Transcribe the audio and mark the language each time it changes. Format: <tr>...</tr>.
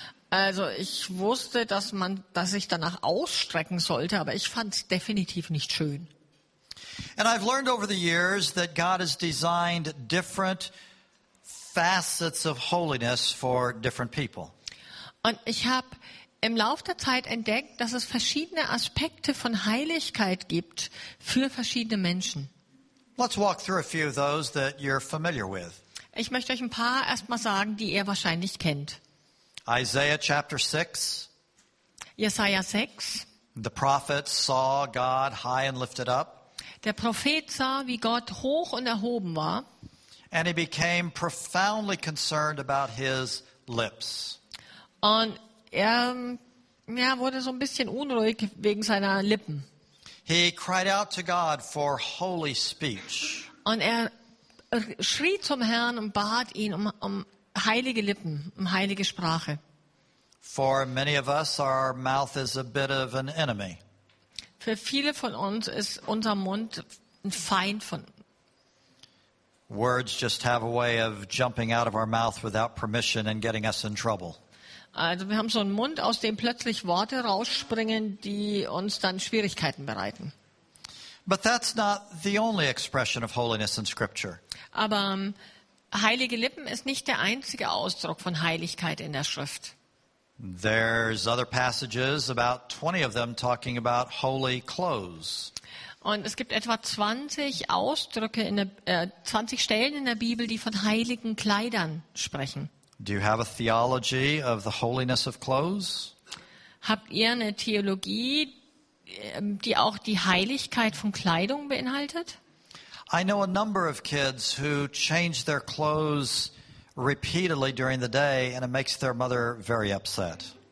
<de>Also ich wusste, dass ich danach ausstrecken sollte, aber ich fand es definitiv nicht schön.</de> <en>And I've learned over the years that God has designed different facets of holiness for different people.</en> <de>Und ich habe im Lauf der Zeit entdeckt, dass es verschiedene Aspekte von Heiligkeit gibt für verschiedene Menschen.</de> <en>Let's walk through a few of those that you're familiar with.</en> <de>Ich möchte euch ein paar erstmal sagen, die ihr wahrscheinlich kennt.</de> <en>Isaiah chapter 6.</en> <de>Jesaja 6.</de> <en>The prophet saw God high and lifted up.</en> <de>Der Prophet sah, wie Gott hoch und erhoben war.</de> <en>And he became profoundly concerned about his lips.</en> <de>Und er wurde so ein bisschen unruhig wegen seiner Lippen.</de> <en>He cried out to God for holy speech.</en> <de>Und er schrie zum Herrn und bat ihn um heilige Lippen, um heilige Sprache.</de> <en>For many of us, our mouth is a bit of an enemy.</en> <de>Für viele von uns ist unser Mund ein Feind von.</de> <en>Words just have a way of jumping out of our mouth without permission and getting us in trouble.</en> <de>Also wir haben so einen Mund, aus dem plötzlich Worte rausspringen, die uns dann Schwierigkeiten bereiten.</de> <en>But that's not the only expression of holiness in Scripture.</en> <de>Aber heilige Lippen ist nicht der einzige Ausdruck von Heiligkeit in der Schrift.</de> <en>There's other passages, about 20 of them, talking about holy clothes.</en> <de>Und es gibt etwa 20 Ausdrücke in der 20 Stellen in der Bibel, die von heiligen Kleidern sprechen.</de> <en>Do you have a theology of the holiness of clothes?</en> <de>habt ihr eine Theologie, die auch die Heiligkeit von Kleidung beinhaltet?</de> <en>I know a number of kids who change their clothes repeatedly during the day and it makes their mother very upset.</en>